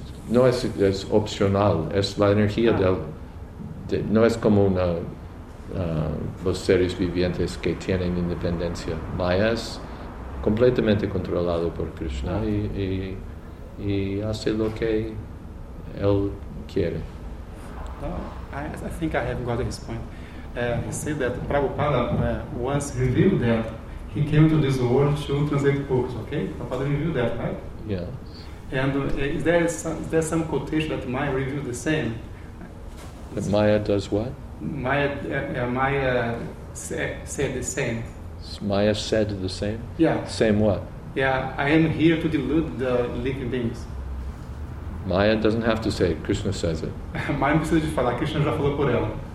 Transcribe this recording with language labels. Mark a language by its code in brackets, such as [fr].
[es] No es opcional, es la energía no es como una los seres vivientes que tienen independencia. Maya es completamente controlado por Krishna y hace lo que él quiere. [en] I think I have got his point. He said that Prabhupada once revealed that he came to this world to translate books, okay? Prabhupada revealed that, right? Yeah. And is there some quotation that Maya reviewed the same? That Maya does what? Maya said the same. Maya said the same? Yeah. Same what? Yeah, I am here to delude the living beings. Maya doesn't have to say it, Krishna says it. [pt] Maya não precisa de falar, Krishna já falou por ela.